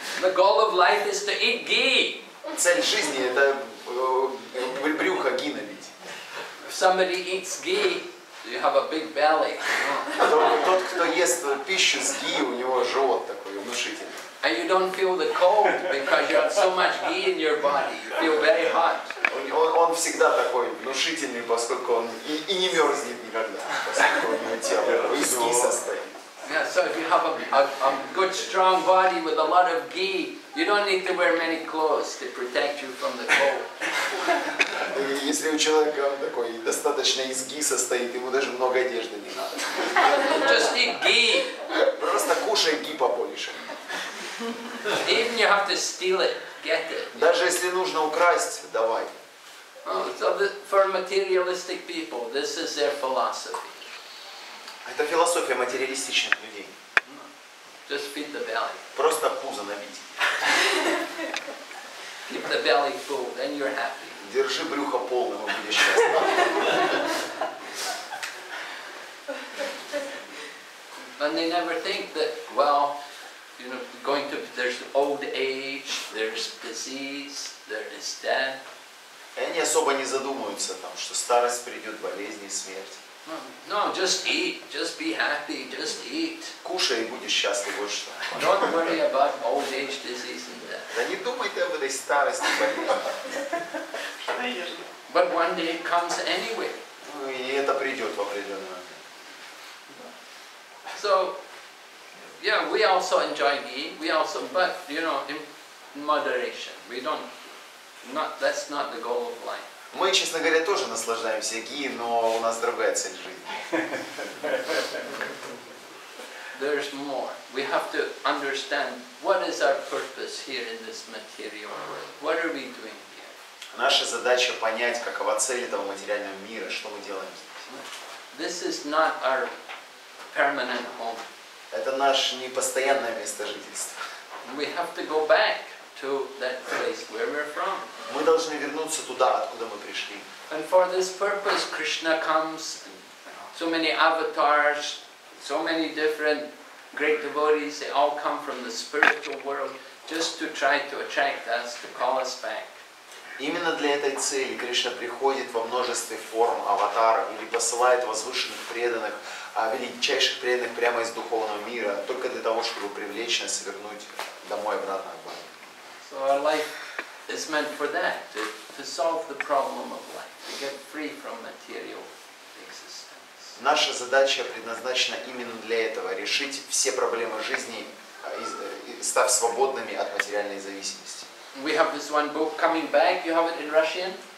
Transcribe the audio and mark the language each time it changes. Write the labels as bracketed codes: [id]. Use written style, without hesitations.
[en] The goal of life is to eat ghee. [ru] Цель жизни это брюхо ги набить. [en] If somebody eats ghee, you have a big belly. [ru] Тот, кто ест пищу с ги, у него живот такой внушительный. [en] And you don't feel the cold because you have so much ghee in your body. You feel very hot. [ru] Он всегда такой внушительный, поскольку он и не мерзнет никогда, поскольку у него тело из ги состоит. [en] Yeah, so if you have a good strong body with a lot of ghee, you don't need to wear many clothes to protect you from the cold. [ru] Если у человека такой достаточно из ги состоит, ему даже много одежды не надо. [en] Just eat ghee. [ru] Просто кушай ги побольше. [en] Even you have to steal it, get it. [ru] Даже если нужно украсть, давай. [en] So for materialistic people, this is their philosophy. [ru] Это философия материалистичных людей. [en] Just feed the belly. [ru] Просто пузо набить. [en] Keep the belly full, then you're happy. [ru] Держи брюхо полным, и будешь счастлив. [en] And they never think that, well, you know, going to there's old age, there's disease, there is death. [ru] И они особо не задумываются там, что старость придет, болезни, смерть. [en] No, just eat. Just be happy. Just eat. [ru] Кушай и будешь счастлив. Вот что. [en] Don't worry about old age, disease, and death. [ru] Да не думайте об этой старости, болезни. [en] But one day it comes anyway. [ru] И это придет в определенный момент. [en] So, yeah, we also enjoy eating. We also, but you know, in moderation. We don't. Not that's not the goal of life. [ru] Мы, честно говоря, тоже наслаждаемся ги, но у нас другая цель жизни. [en] There's more. We have to understand what is our purpose here in this material world. What are we doing here? [ru] Наша задача понять, какова цель этого материального мира, что мы делаем здесь. [en] This is not our permanent home. [ru] Это наше непостоянное место жительства. [en] We have to go back. To that place where we're from. [ru] Мы должны вернуться туда, откуда мы пришли. [en] And for this purpose, Krishna comes. So many avatars, so many different great devotees. They all come from the spiritual world just to try to attract us, to call us back. [ru] Именно для этой цели Кришна приходит во множестве форм, аватар, или посылает возвышенных преданных величайших преданных прямо из духовного мира, только для того, чтобы привлечь нас и вернуть домой обратно к Богу. [en] So our life is meant for that, to solve the problem of life, to get free from material existence. [ru] Наша задача предназначена именно для этого, решить все проблемы жизни, став свободными от материальной зависимости. [en] We have this one book, Coming Back, you have it in Russian?